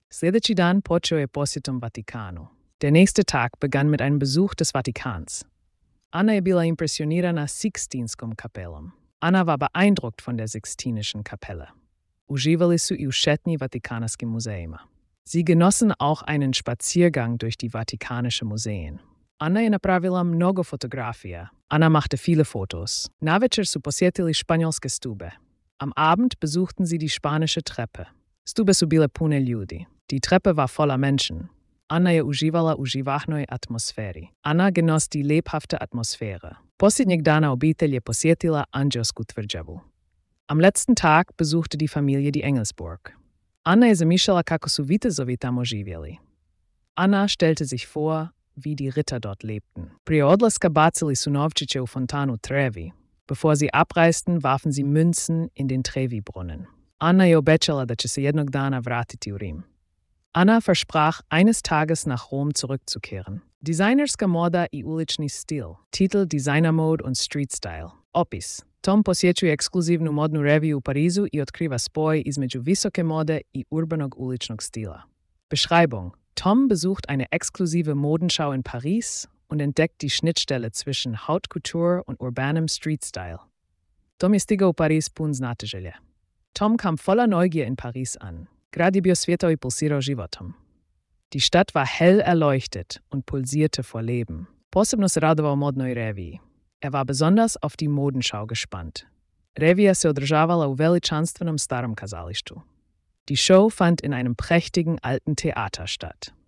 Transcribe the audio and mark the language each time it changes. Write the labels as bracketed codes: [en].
[hr] Sljedeći dan počeo je posjetom Vatikanu. [de] Der nächste Tag begann mit einem Besuch des Vatikans. [hr] Anna je bila impresionirana Sixtinskom kapelom. [de] Anna war beeindruckt von der Sixtinischen Kapelle. [hr] Uživali su i u šetnji Vatikanskim muzejima. [de] Sie genossen auch einen Spaziergang durch die Vatikanische Museen. [hr] Anna je napravila mnogo fotografija. [de] Anna machte viele Fotos. [hr] Navečer su posjetili španjolske stube. [de] Am Abend besuchten sie die spanische Treppe. [hr] Stube su bile pune ljudi. [de] Die Treppe war voller Menschen. [hr] Anna je uživala u živahnoj atmosferi. [de] Anna genoss die lebhafte Atmosphäre. [hr] Posljednjeg dana obitelj je posjetila Anđelsku tvrđavu. [de] Am letzten Tag besuchte die Familie die Engelsburg. [hr] Anna je zamišljala kako su vitezovi tamo živjeli. [de] Anna stellte sich vor, wie die Ritter dort lebten. [hr] Prije odlaska bacili su novčiće u fontanu Trevi. [de] Bevor sie abreisten, warfen sie Münzen in den Trevi-Brunnen. [hr] Anna je obećala da će se jednog dana vratiti u Rim. [de] Anna versprach, eines Tages nach Rom zurückzukehren. [hr] Designerska moda i ulični stil. [de] Titel Designer Mode und Street Style. [hr] Opis. Tom posjećuje ekskluzivnu modnu reviju u Parizu i otkriva spoj između visoke mode i urbanog uličnog stila. [de] Beschreibung. Tom besucht eine exklusive Modenschau in Paris und entdeckt die Schnittstelle zwischen Haute Couture und urbanem Street Style. [hr] Tom je stigao u Paris pun znatiželje. [de] Tom kam voller Neugier in Paris an. [hr] Grad je bio svjetao i pulsirao životom. [de] Die Stadt war hell erleuchtet und pulsierte vor Leben. [hr] Posebno se radovao modnoj reviji. [de] Er war besonders auf die Modenschau gespannt. [hr] Revija se održavala u veličanstvenom starom kazalištu. [de] Die Show fand in einem prächtigen alten Theater statt.